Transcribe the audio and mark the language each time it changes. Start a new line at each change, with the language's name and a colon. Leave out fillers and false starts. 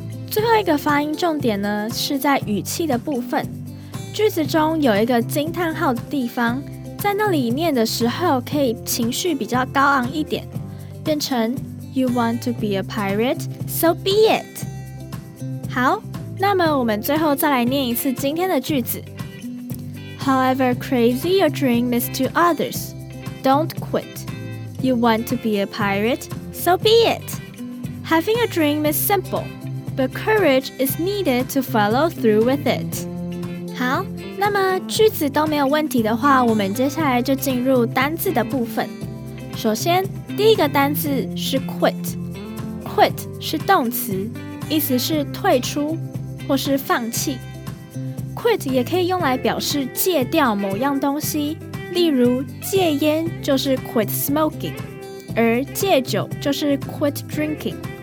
Chinese: 最后一个发音重点呢是在语气的部分，句子中有一个惊叹号的地方，在那里念的时候可以情绪比较高昂一点，变成
English: You want to be a pirate? So be it!
Chinese: 好，那么我们最后再来念一次今天的句子。
English: However crazy your dream is to others, don't quit. You want to be a pirate? So be it! Having a dream is simple, but courage is needed to follow through with it.
Chinese: 好，那么句子都没有问题的话，我们接下来就进入单字的部分。首先，第一个单字是 quit。quit 是动词，意思是退出或是放弃。 quit 也可以用来表示戒掉某样东西，例如戒烟就是
English: quit smoking，
Chinese: 而戒酒就是
English: quit drinking。